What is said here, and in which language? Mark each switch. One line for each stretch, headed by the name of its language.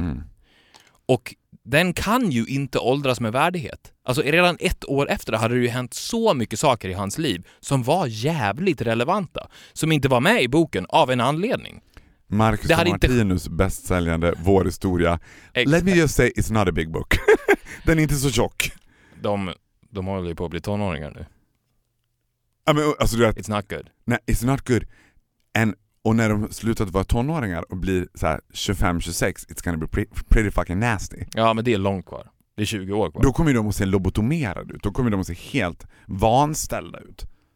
Swedish: Mm. Och den kan ju inte åldras med värdighet. Alltså redan ett år efter hade det ju hänt så mycket saker i hans liv som var jävligt relevanta. Som inte var med i boken av en anledning. Marcus och Martinus bästsäljande Vår historia.
English: Let me just say it's not a big book.
Swedish: Den är inte så tjock. De håller ju på att bli tonåringar nu. Ja, men, alltså, du vet,
English: it's not good.
Swedish: Nej,
English: it's not good.
Swedish: Och när de slutar vara tonåringar och blir så här 25-26,
English: it's gonna be pretty fucking nasty.
Swedish: Ja, men det är långt kvar. Det är 20 år kvar. Då kommer de att se lobotomerade ut. Då kommer de att se helt vanställda ut.